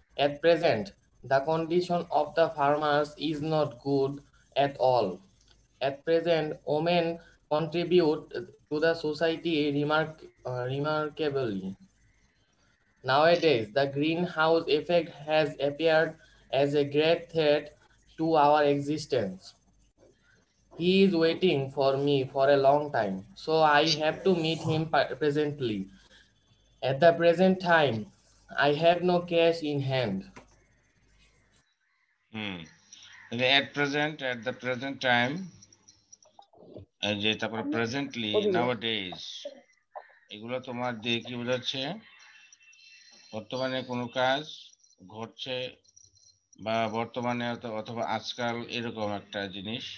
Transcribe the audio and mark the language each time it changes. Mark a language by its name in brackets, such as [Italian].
[English] At present, the condition of the farmers is not good at all. At present, women contribute to the society remarkably. Now a day, the greenhouse effect has appeared as a great threat to our existence. He is waiting for me for a long time, so I have to meet him presently. At the present time, I have no cash in hand. At the present time, [Bangla] তারপরে presently, nowadays, এগুলো তোমার দিয়ে কি বোঝাচ্ছে, বর্তমানে কোনো কাজ ঘটছে বা বর্তমানে অথবা আজকাল, এরকম একটা জিনিস।